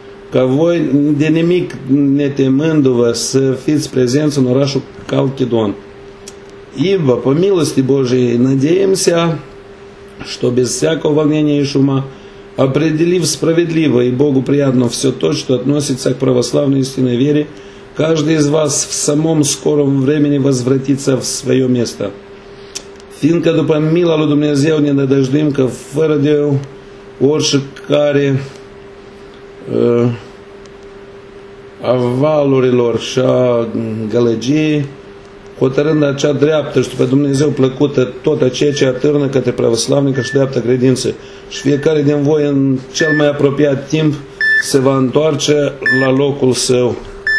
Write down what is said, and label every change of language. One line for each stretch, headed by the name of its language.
Romanian: Ca voi, de nimic netemându-vă, să fiți prezenți în orașul Халкидон.
Russian: Ibă, pe milosti Божией, надеемся, що без всякого волнения и шума, определив справедливо и Богу приятно все то, что относится к православной истинной вере, каждый из вас в самом скором времени возвратится в свое место.
Romanian: Fiindcă după mila lui Dumnezeu ne nădăjduim că fără de oricare avalurilor și a gălăgiei, hotărând acea dreaptă și după Dumnezeu plăcută tot aceea ce atârnă către pravoslavnică și dreaptă credință și fiecare din voi în cel mai apropiat timp se va întoarce la locul său.